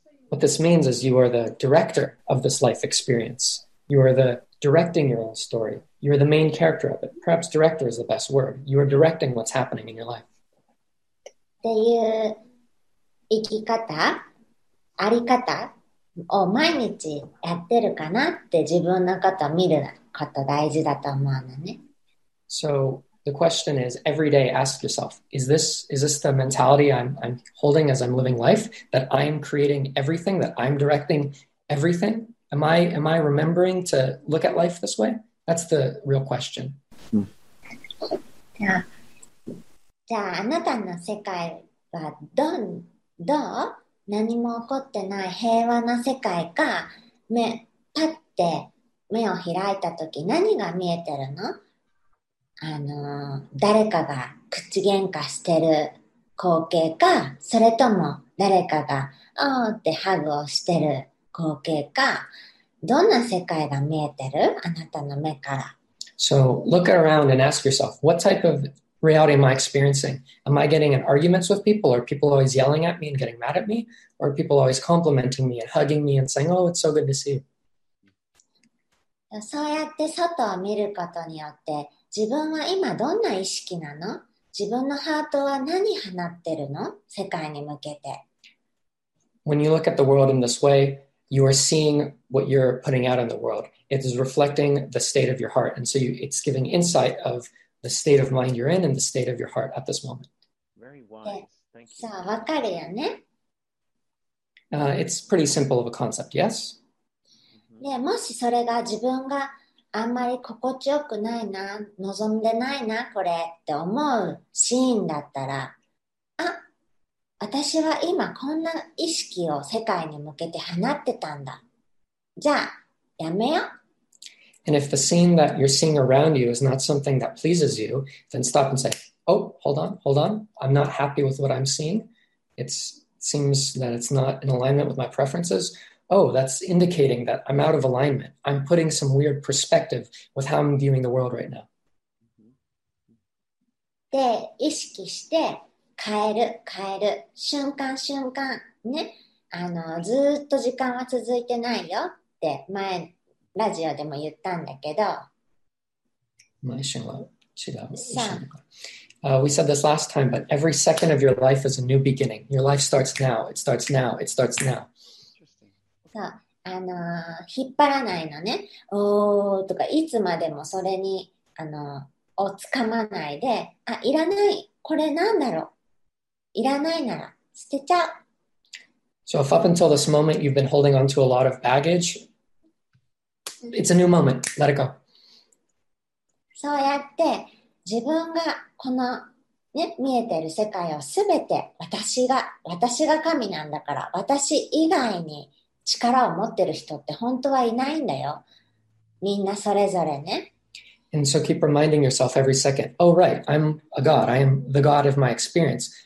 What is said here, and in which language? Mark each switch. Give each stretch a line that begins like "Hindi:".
English: What this means is you are the director of this life experience. You are the directing your own story. You are the main character of it. Perhaps director is the best word. You are directing what's happening in your life.
Japanese: っていう生き方、あり方を毎日やってるかなって自分のこと見ること大事だと思うのね。
English: So the question is, every day ask yourself, is this the mentality I'm holding as I'm living life, that I'm creating everything, that I'm directing everything? Am I remembering to look at life this way? That's the real question.
Japanese: じゃあ、あなたの世界はどう？何も起こってない平和な世界か、パッて目を開いた時何が見えてるの？あの、誰かが口喧嘩してる光景か、それとも誰かが、おーってハグをしてる光景か、どんな世界が見えてる？あなたの目から。
English: So, look around and ask yourself, what type of reality am I experiencing? Am I getting in arguments with people? Are people always yelling at me and getting mad at me? Or are people always complimenting me and hugging me and saying, oh, it's so good to see you?
Japanese: そうやって外を見ることによって、自分は今どんな意識なの？自分のハートは何放ってるの？世界に向けて。
English: When you look at the world in this way, you are seeing what you're putting out in the world. It is reflecting the state of your heart. And so it's giving insight of the state of mind you're in and the state of your heart at this moment. Very wise. Thank you.
Japanese: そう、わかるよね。
English: It's pretty simple of a concept, yes?
Japanese: で、もしそれが自分が、あんまり心地よくないな、望んでないな、これって思うシーンだったら、あ、私は今こんな意識を世界に向けて放ってたんだ。じゃあ、やめよ。
English: And if the scene that you're seeing around you is not something that pleases you, then stop and say, oh, hold on, I'm not happy with what I'm seeing. It seems that it's not in alignment with my preferences. Oh, that's indicating that I'm out of alignment. I'm putting some weird perspective with how I'm viewing the world right now.
Japanese: で、意識して変える瞬間瞬間ね。あの、ずっと時間は続いてないよって前ラジオでも言ったんだけど。毎瞬は違う。
English: We said this last time, but every second of your life is a new beginning. Your life starts now. It starts now. It starts now. True.
Japanese: そう、引っ張らないのね。おーとか、いつまでもそれに、をつかまないで、あ、いらない。これなんだろう。いらないなら、捨てちゃう。
English: So if up until this moment you've been holding on to a lot of baggage, it's a new moment. Let it go.
Japanese: そうやって、自分がこの、ね、見えてる世界をすべて私が神なんだから、私以外に力を持ってる人って本当はいないんだよ。みんなそれぞれね。
English: And so keep reminding yourself every second, oh right, I'm a God, I am the God of my experience.